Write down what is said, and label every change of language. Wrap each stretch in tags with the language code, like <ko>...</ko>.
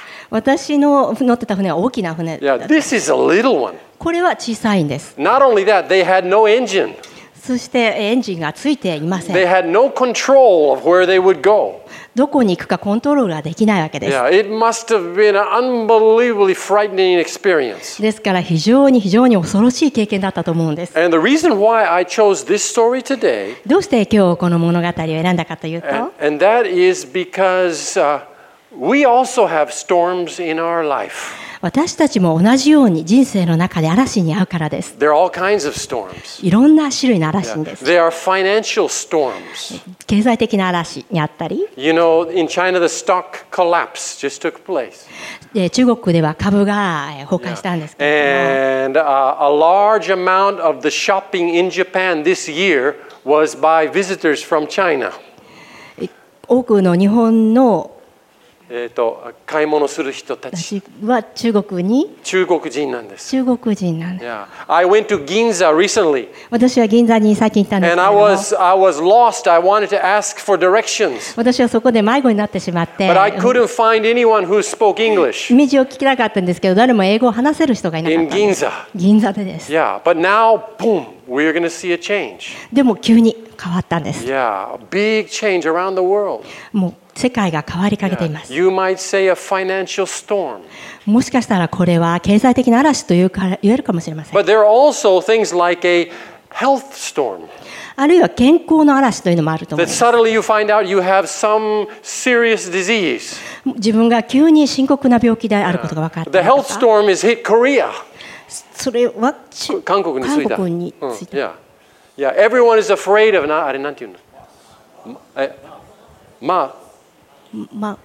<ja>私の乗ってた船は大きな船だった。</ja> <en>Yeah, this is a little one.</en> <ja>これは小さいんです。</ja> <en>Not only that, they had no engine.</en> <ja>そしてエンジンがついていません。</ja> <en>They had no control of where they would go.</en> <ja>どこに行くかコントロールができないわけです。</ja> <en>Yeah, it must have been an unbelievably frightening experience.</en> <ja>ですから非常に非常に恐ろしい経験だったと思うんです。</ja> <en>And the reason why I chose this story today.</en> <ja>どうして今日この物語を選んだかというと。</ja> <en>And that is because, we also have storms in our life.</en> <ja>私たちも同じように人生の中で嵐に遭うからです。</ja> <en>There are all kinds of storms.</en> <ja>いろんな種類の嵐です。</ja> <en>There are financial storms.</en> <ja>経済的な嵐にあったり。</ja> <en>You know, in China, the stock collapse just took place.</en> <ja>中国では株が崩壊したんですけども。</ja> <en>And a large amount of the shopping in Japan this year was by visitors from China.</en> <ja>多くの日本の買い物する人たちは中国に中国人なんです。中国人なんです。</ja> <en>Yeah. I went to Ginza recently.</en> <ja>私は銀座に最近行ったんですけども。</ja> <en>And I was lost. I wanted to ask for directions.</en> <ja>私はそこで迷子になってしまって。</ja> <en>But I couldn't find anyone who spoke English.</en> <ja>道を聞きたかったんですけど、誰も英語を話せる人がいなかったんです。</ja> <en>In Ginza.</en> <ja>銀座でです。</ja> <en>Yeah. But now, boom, we are going to see a change.</en> <ja>でも急に変わったんです。</ja> <en>Yeah. Big change around the world.</en> <ja>もう世界が変わりかけています。</ja> <en>You might say a financial storm.</en> <ja>もしかしたらこれは経済的な嵐と言えるかもしれません。</ja> <en>But there are also things like a health storm.</en> <ja>あるいは健康の嵐というのもあると思います。</ja> <en>That suddenly you find out you have some serious disease.</en> <ja>自分が急に深刻な病気であることが分かった。</ja> <en>The health storm has hit Korea.</en> <ja>それは韓国についた。韓国について。</ja> <en>Yeah, everyone is afraid of not,</en> <ja>あれなんていうの、まあ</ja>